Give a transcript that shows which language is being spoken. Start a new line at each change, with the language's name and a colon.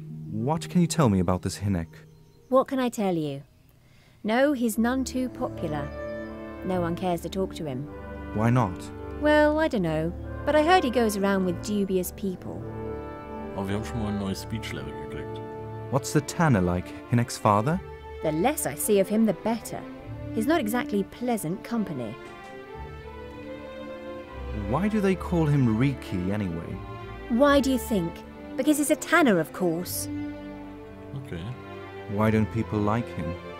English: What can you tell me about this Hinnick? What can I tell you? No, he's none too popular. No one cares to talk to him. Why not? Well, I don't know, but I heard he goes around with dubious people.
German: Oh, wir haben schon mal ein neues speech level gekriegt.
English: What's the Tanner like, Hinnick's father? The less I see of him, the better. He's not exactly pleasant company. Why do they call him Riki anyway? Why do you think? Because he's a tanner, of course. Okay. Why don't people like him?